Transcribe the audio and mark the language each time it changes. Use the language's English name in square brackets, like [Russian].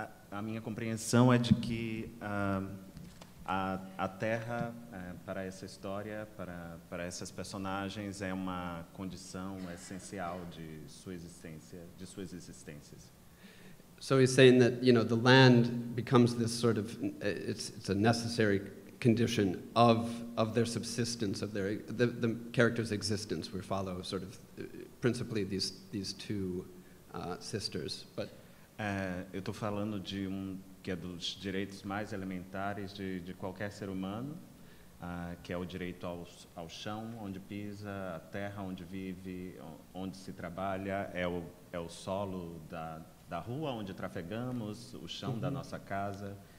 [Portuguese] A minha compreensão é de que a terra, para essa história, para essas personagens, é uma condição essencial de sua existência, de suas existências. [English] So he's saying that, you know, the land becomes this sort of, it's a necessary condition of their subsistence, of their, the character's existence. We follow sort of principally these two sisters, but... [Portuguese] Eu estou falando de um... que é dos direitos mais elementares de qualquer ser humano, que é o direito ao chão onde pisa, a terra onde vive, onde se trabalha, é o solo da rua onde trafegamos, o chão uhum. da nossa casa.